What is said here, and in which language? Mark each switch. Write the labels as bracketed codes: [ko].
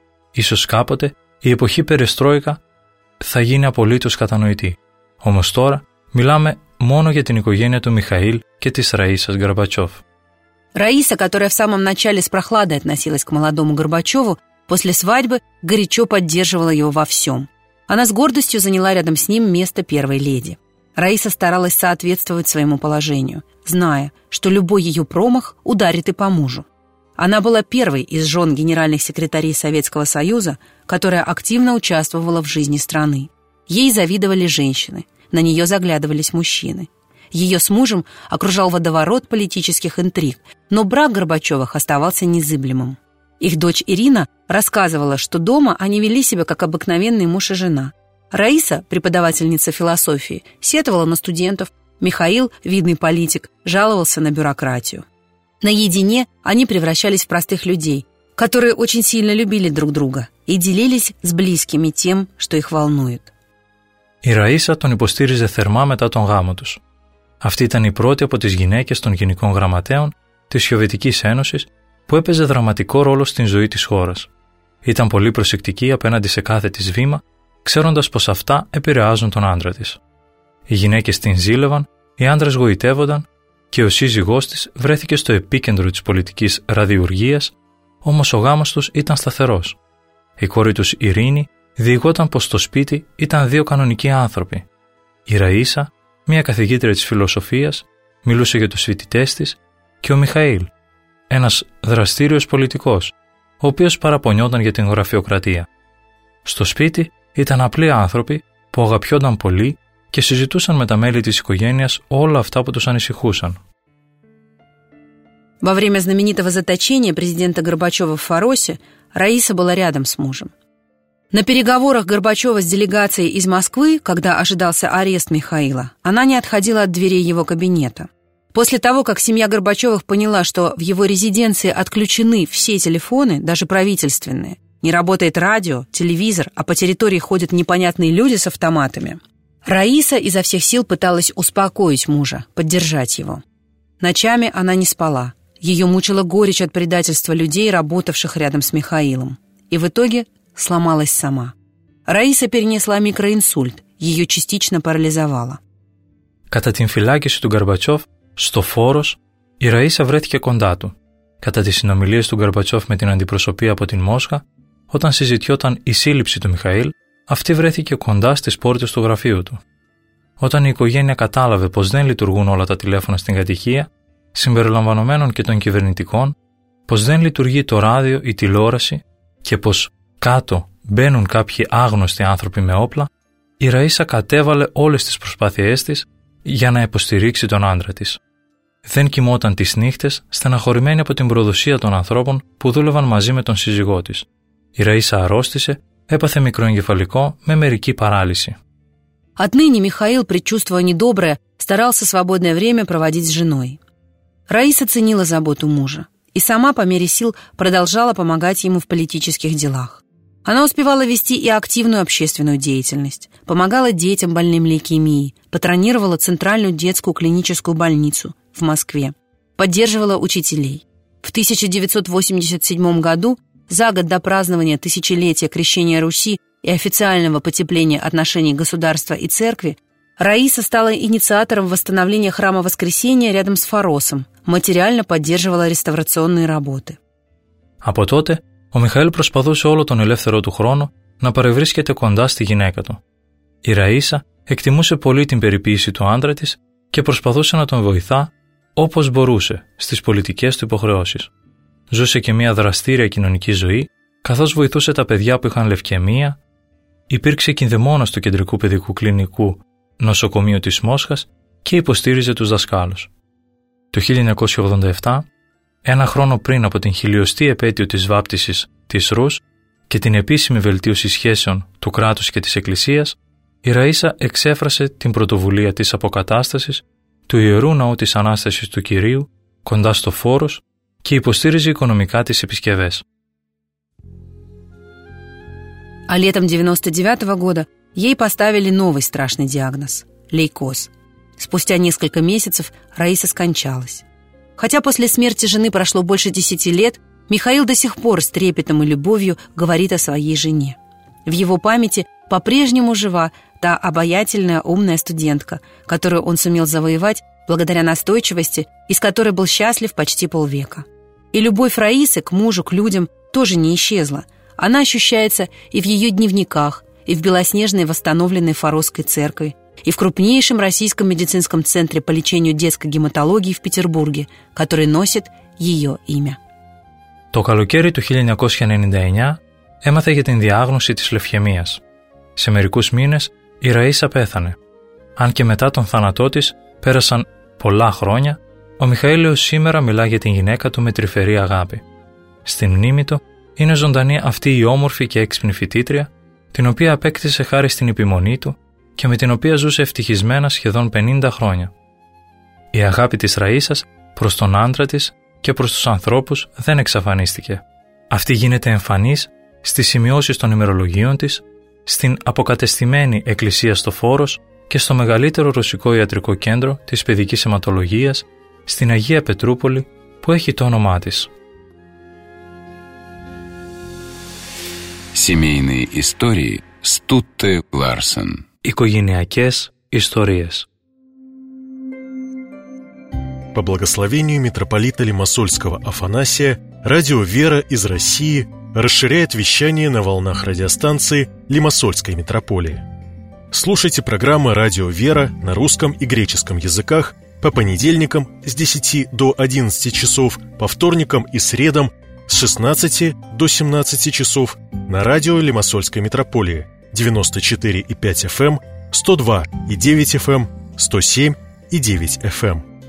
[el] Ίσως κάποτε η εποχή Περεστρόικα θα γίνει απολύτως κατανοητή. Όμως τώρα μιλάμε μόνο για την οικογένεια του Μιχαήλ και της Ραΐσας Γκαρμπατσόφ. [ru] Раиса, которая в самом начале с прохладой относилась к молодому Горбачёву, после свадьбы горячо поддерживала его во всем. Она с гордостью заняла рядом с ним место первой леди. Раиса старалась соответствовать своему положению, зная, что любой ее промах ударит и по мужу. Она была первой из жен генеральных секретарей Советского Союза, которая активно участвовала в жизни страны. Ей завидовали женщины, на нее заглядывались мужчины. Ее с мужем окружал водоворот политических интриг, но брак Горбачевых оставался незыблемым. Их дочь Ирина рассказывала, что дома они вели себя как обыкновенный муж и жена. Раиса, преподавательница философии, сетовала на студентов. Михаил, видный политик, жаловался на бюрократию. Наедине они превращались в простых людей, которые очень сильно любили друг друга и делились с близкими тем, что их волнует. И Раиса [el] тон υποστήριζε θερμά μετά τον γάμο τους. Αυτή ήταν η πρώτη από τις γυναίκες των Γενικών Γραμματέων της Σοβιετικής Ένωσης που έπαιζε δραματικό ρόλο στην ζωή της χώρας. Ήταν πολύ προσεκτική απέναντι σε κάθε της βήμα, ξέροντας πως αυτά επηρεάζουν τον άντρα της. Οι γυναίκες την ζήλευαν, οι άντρες γοητεύονταν και ο σύζυγός της βρέθηκε στο επίκεντρο της πολιτικής ραδιουργίας, όμως ο γάμος τους ήταν σταθερός. Η κόρη τους Ειρήνη διηγόταν πως στο σπίτι ήταν δύο κανονικοί άνθρωποι. Η Ραΐσα, μια καθηγήτρια της φιλοσοφίας, μιλούσε για τους φοιτητές της και ο Μιχαήλ, ένας δραστήριος πολιτικός, ο οποίος παραπονιόταν για την γραφειοκρατία. Στο σπίτι ήταν απλοί άνθρωποι που αγαπιόνταν πολύ και συζητούσαν με τα μέλη της οικογένειας όλα αυτά που τους ανησυχούσαν. [ru] Во время знаменитого заточения президента Горбачева в Фаросе Раиса была рядом с мужем. На переговорах Горбачева с делегацией из Москвы, когда ожидался арест Михаила, она не отходила от дверей его кабинета. После того, как семья Горбачевых поняла, что в его резиденции отключены все телефоны, даже правительственные, не работает радио, телевизор, а по территории ходят непонятные люди с автоматами, Раиса изо всех сил пыталась успокоить мужа, поддержать его. Ночами она не спала. Ее мучила горечь от предательства людей, работавших рядом с Михаилом. И в итоге сломалась сама. Раиса перенесла микроинсульт. Ее частично парализовало. [el] Κατά την φυλάκιση του Γκαρμπατσόφ, στο Φόρος, η Ραΐσα βρέθηκε κοντά του. Κατά τις συνομιλίες του Γκαρμπατσόφ με την αντιπροσωπεία από την Μόσχα, όταν συζητιόταν η σύλληψη του Μιχαήλ, αυτή βρέθηκε κοντά στις πόρτες του γραφείου του. Όταν η οικογένεια κατάλαβε πως δεν λειτουργούν όλα τα τηλέφωνα στην κατοικία, συμπεριλαμβανομένων και των κυβερνητικών, πως δεν λειτουργεί το ράδιο ή τηλεόραση και πως κάτω μπαίνουν κάποιοι άγνωστοι άνθρωποι με όπλα, η Ραΐσα κατέβαλε όλες τις προσπάθειές της για να υποστηρίξει τον άντρα της. Δεν κοιμόταν τις νύχτες, στεναχωρημένη από την προδοσία των ανθρώπων που δούλευαν μαζί με τον σύζυγό της. Η Ραΐσα αρρώστησε, έπαθε μικροεγκεφαλικό με μερική παράλυση. [ru] Отныне Михаил, предчувствуя недоброе, старался свободное время проводить с женой. Раиса ценила заботу мужа и сама по мере сил продолжала помогать ему в политических делах. Она успевала вести и активную общественную деятельность, помогала детям, больным лейкемией, патронировала Центральную детскую клиническую больницу в Москве, поддерживала учителей. В 1987 году, за год до празднования тысячелетия крещения Руси и официального потепления отношений государства и церкви, Раиса стала инициатором восстановления храма Воскресения рядом с Форосом, материально поддерживала реставрационные работы. [el] Από τότε, ο Михаήλ προσπαθούσε όλο τον ελεύθερο του χρόνο να παρευρίσκεται κοντά στη γυναίκα του. Η Ραΐσα εκτιμούσε πολύ την περιποίηση του άντρα της και προσπαθούσε να τον βοηθά όπως μπορούσε στις πολιτικές του υποχρεώσεις. Ζούσε και μια δραστήρια κοινωνική ζωή, καθώς βοηθούσε τα παιδιά που είχαν λευκαιμία, υπήρξε κινδυμόνα στο κεντρικού παιδικού κλινικού νοσοκομείο της Μόσχας και υποστήριζε τους δασκάλους. Το 1987, ένα χρόνο πριν από την χιλιοστή επέτειο της βάπτισης της Ρους και την επίσημη βελτίωση σχέσεων του κράτους και της Εκκλησίας, η Ραΐσα εξέφρασε την πρωτοβουλία της αποκατάστασης του Ιερού Ναού της Ανάστασης του Κυρίου κοντά στο Φόρος και υποστήριζε οικονομικά τις επισκευές. [ru] А летом 99 года ей поставили новый страшный диагноз – лейкоз. Спустя несколько месяцев Раиса скончалась. Хотя после смерти жены прошло больше 10 лет, Михаил до сих пор с трепетом и любовью говорит о своей жене. В его памяти по-прежнему жива та обаятельная умная студентка, которую он сумел завоевать благодаря настойчивости, из которой был счастлив почти полвека. И любовь Раисы к мужу, к людям тоже не исчезла – она ощущается и в ее дневниках, и в белоснежной восстановленной Форосской церкви, и в крупнейшем российском медицинском центре по лечению детской гематологии в Петербурге, который носит ее имя. [el] Το καλοκαίρι του 1999 έμαθε για την διάγνωση της λευχαιμίας. Σε μερικούς μήνες η Ραΐσα πέθανε. Αν και μετά τον θάνατό της πέρασαν πολλά χρόνια, ο Μιχαήλιος σήμερα μιλά για την γυναίκα του με τρυφερή αγάπη. Στην μνήμη του είναι ζωντανή αυτή η όμορφη και έξυπνη φοιτήτρια, την οποία απέκτησε χάρη στην επιμονή του και με την οποία ζούσε ευτυχισμένα σχεδόν 50 χρόνια. Η αγάπη της Ραΐσας προς τον άντρα της και προς τους ανθρώπους δεν εξαφανίστηκε. Αυτή γίνεται εμφανής στις σημειώσεις των ημερολογίων της, στην αποκατεστημένη εκκλησία στο Φόρος και στο μεγαλύτερο ρωσικό ιατρικό κέντρο της παιδικής αιματολογίας, στην Αγία Πετρούπολη που έχει το όνομά της. [ru] Семейные истории Стутте Ларсен. [el] Οικογενειακές ιστορίες. [ru] По благословению митрополита Лимассольского Афанасия, радио «Вера» из России расширяет вещание на волнах радиостанции Лимассольской митрополии. Слушайте программы «Радио «Вера» на русском и греческом языках по понедельникам с 10 до 11 часов, по вторникам и средам с 16 до 17 часов на радио Лимассольской митрополии 94,5 FM, 102,9 FM, 107,9 FM.